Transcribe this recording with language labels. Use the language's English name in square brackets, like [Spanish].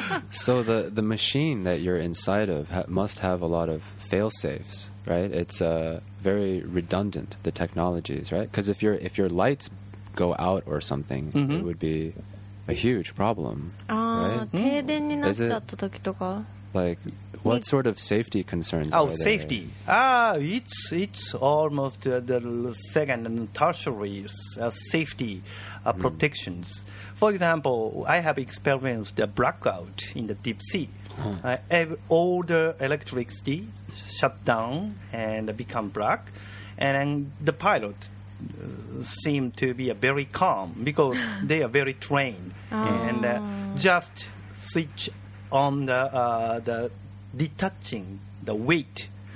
[English] So the machine that you're inside of must have a lot of fail-safes. Right, it's very redundant, the technologies, right? Because if your lights go out or something, it would be a huge problem. [Japanese] Ah, 停電になっちゃった時とか。 [English] Like, what sort of safety concerns? Oh, safety. It's almost the second and tertiary safety protections. For example, I have experienced a blackout in the deep sea. All the electricity shut down and become black, and then the pilot seemed to be very calm because they are very trained and just switch on the detaching the weight.